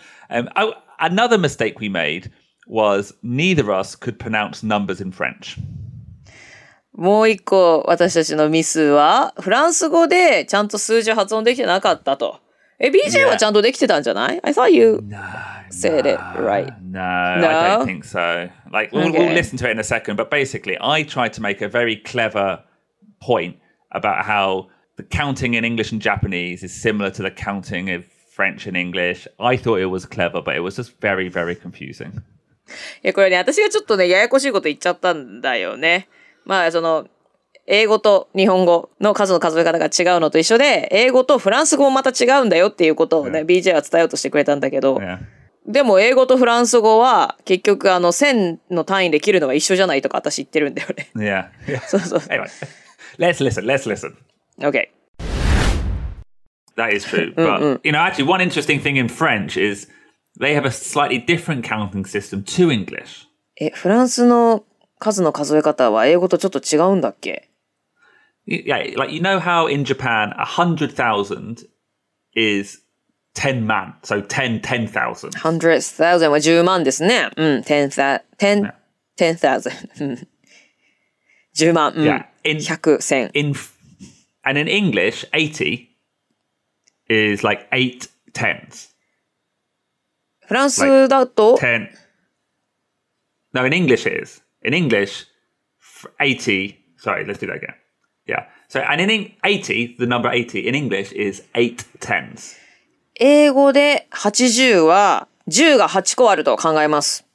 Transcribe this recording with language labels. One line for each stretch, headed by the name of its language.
English: Another mistake we made was neither of us could pronounce numbers in French.
Japanese: もう一個私たちのミスは、フランス語でちゃんと数字発音できてなかったと。え、BJ はちゃんとできてたんじゃない?
English: I thought you said it right. No, I don't think so. Like, we'll listen to it in a second, but basically, I tried to make a very clever point about how the counting in English and Japanese is similar to the counting of French and English. I thought it was clever, but it was just very, very confusing.
Japanese: いや、これね、私がちょっとね、ややこしいこと言っちゃったんだよね。まあ、その、英語と日本語の数の数え方が違うのと一緒で、英語とフランス語もまた違うんだよっていうことをね、
English: yeah.
Japanese: BJ は伝えようとしてくれたんだけど、
English: yeah.
Japanese: でも英語とフランス語は結局あの線の単位で切るのは一緒じゃないとか私言ってるんだよね。いや、そうそう。
English: Anyway, let's listen. Okay. That is true. But, you know, actually one interesting thing in French is they have a slightly different counting system to English.
Japanese: え、フランスの数の数え方は英語とちょっと違うんだっけ?
English: Yeah, like you know how in Japan 100,000 is 10 man, so 10,000.
Japanese: 100,000 は10万ですね。うん、10,000. 10万、うん、
English: yeah. 100,000. And in English, 80 is like 8 tens.
Japanese: フランスだと?
English: Like 10. No, in English it is. In English, 80, sorry, let's do that again. Yeah. So, and in 80, the number 80 in English is 8 tens.
Japanese: 英語で80は10が8個あると考えます。